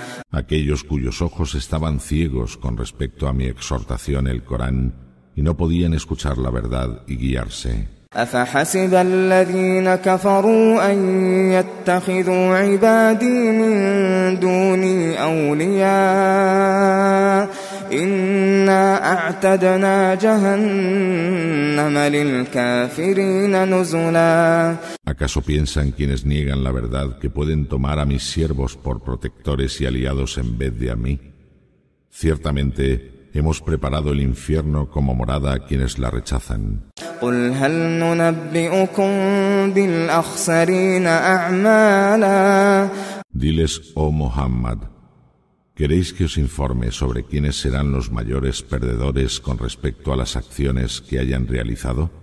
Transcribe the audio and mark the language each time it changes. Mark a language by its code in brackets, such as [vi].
[es] Aquellos cuyos ojos estaban ciegos con respecto a mi exhortación el Corán y no podían escuchar la verdad y guiarse. [ar] أفحسب الذين كفروا أن يتخذوا عبادي من دوني أولياء إنا أعتدنا جهنم للكافرين نزلا. [es] ¿Acaso piensan quienes niegan la verdad que pueden tomar a mis siervos por protectores y aliados en vez de a mí? Ciertamente hemos preparado el infierno como morada a quienes la rechazan. [ar] قل هل ننبئكم بالأخسرين أعمالا. [es] Diles, oh Muhammad, ¿queréis que os informe sobre quiénes serán los mayores perdedores con respecto a las acciones que hayan realizado?